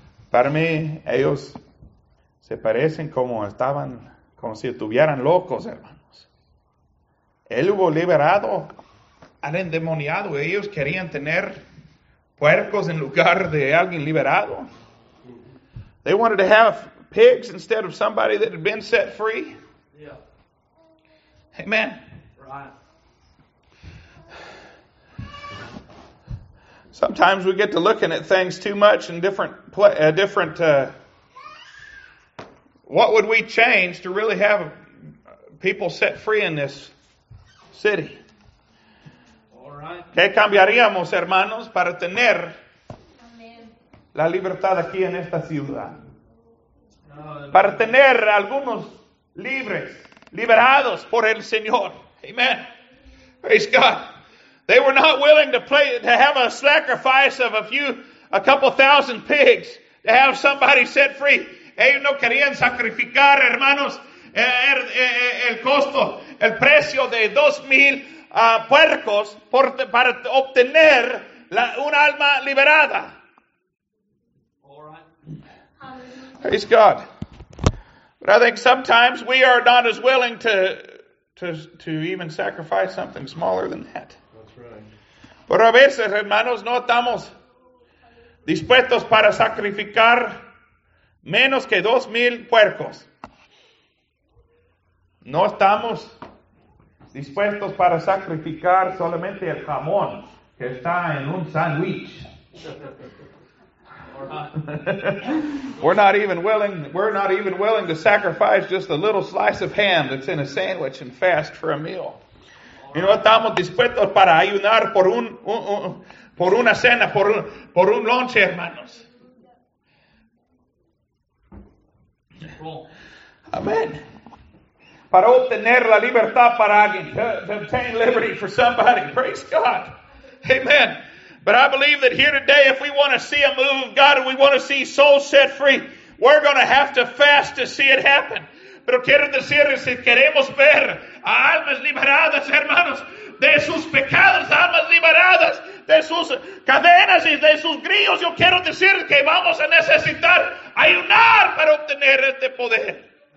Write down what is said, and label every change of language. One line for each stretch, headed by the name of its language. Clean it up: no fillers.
Spanish: Para mí, ellos se parecen como estaban, como si estuvieran locos, hermanos. Él hubo liberado al endemoniado. Ellos querían tener puercos en lugar de alguien liberado.
English: They wanted to have pigs instead of somebody that had been set free. Yeah. Amen. Right. Sometimes we get to looking at things too much in different what would we change to really have people set free in this city? All right.
Spanish: ¿Qué cambiaríamos, hermanos, para tener la libertad aquí en esta ciudad? Para tener algunos libres, liberados por el Señor.
English: Amen. Praise God. They were not willing to have a sacrifice of a couple thousand pigs to have somebody set free.
Spanish: Ellos no querían sacrificar, hermanos, el costo, el precio de 2,000 puercos para obtener una alma liberada.
English: All right. Praise God. But I think sometimes we are not as willing to even sacrifice something smaller than that. That's right.
Spanish: Pero a veces, hermanos, no estamos dispuestos para sacrificar menos que 2,000 puercos. No estamos dispuestos para sacrificar solamente el jamón que está en un sándwich.
English: We're not even willing to sacrifice just a little slice of ham that's in a sandwich and fast for a meal.
Spanish: Y no estamos dispuestos para ayunar por un lunch, hermanos.
English: Amen.
Spanish: Para obtener la libertad para alguien,
English: to obtain liberty for somebody. Praise God. Amen. But I believe that here today, if we want to see a move of God and we want to see souls set free, we're going to have to fast to see it happen.
Spanish: Pero quiero decir, si queremos ver a almas liberadas, hermanos, de sus pecados, almas liberadas, de sus cadenas y de sus grillos, yo quiero decir que vamos a necesitar ayunar para obtener este poder.